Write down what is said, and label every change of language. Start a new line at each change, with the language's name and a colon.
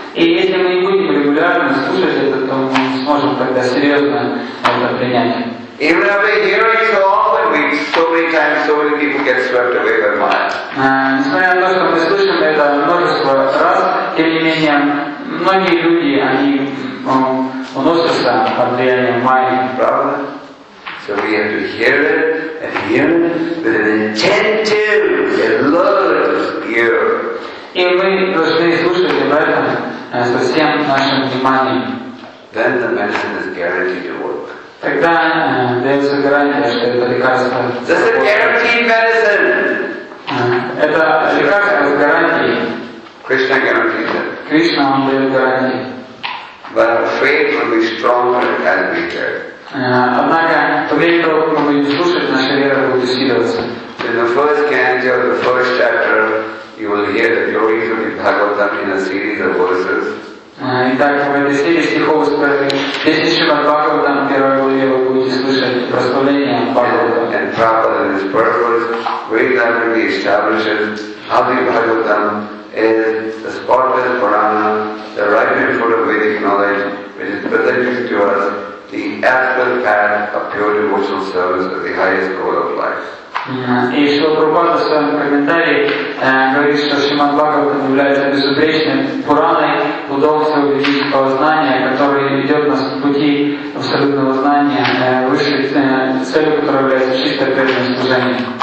Russian: И если мы не будем регулярно слушать это, то мы не сможем тогда серьезно это принять.
English: Even if we hear it so often, we so many times, so many people get swept away by Maya.
Russian: Несмотря на то, что мы слышим это множество раз, тем не менее, многие люди, они уносятся под влиянием Майи. Правда?
English: So we have to hear it and hear it with an attentive, alert ear.
Russian: И мы должны слушать об этом со всем нашим вниманием.
English: Then the medicine is guaranteed to work.
Russian: Тогда дается гарантия, что это лекарство.
English: This is guaranteed medicine.
Russian: Это лекарство с гарантией.
English: Krishna guarantees it.
Russian: Кришна вам дает гарантии.
English: But our faith will be stronger and weaker.
Russian: Однако, по мере того, как мы будем слушать, наша вера будет усиливаться.
English: In the first canto of the first chapter, you will hear the glories of the Bhagavatam in a series of verses.
Russian: Итак, в этой серии стихов скажем, если Шримад Бхагаватам первой главе вы будете слышать прославление Бхагаватам.
English: And Prabhupada in his purpose very clearly establishes how the Bhagavatam is the spotless Purana, the right and full of Vedic knowledge, which is presented to us the absolute path of pure devotional service as the highest goal of life.
Russian: И что Прабхупада в своем комментарии говорит, что Шримад Бхагаватам является безупречным Пураной, плодом всего ведического знания, который ведет нас к пути абсолютного знания, высшей целью, которая является чистое преданное служение.